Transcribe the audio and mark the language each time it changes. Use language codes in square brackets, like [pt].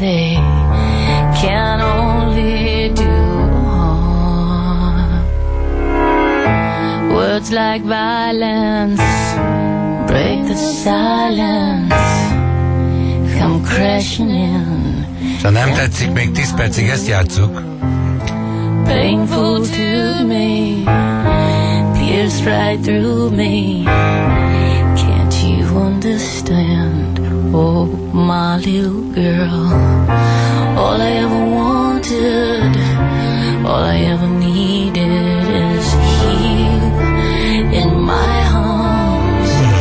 [en] They can only do harm. Words like violence break the silence, come crashing in. [hu] Ha nem tetszik, még 10 percig ezt játsszuk. [en] Painful to me, pierced right through me. Can't you understand, oh my little girl? All I ever wanted, all I ever needed is here in my arms.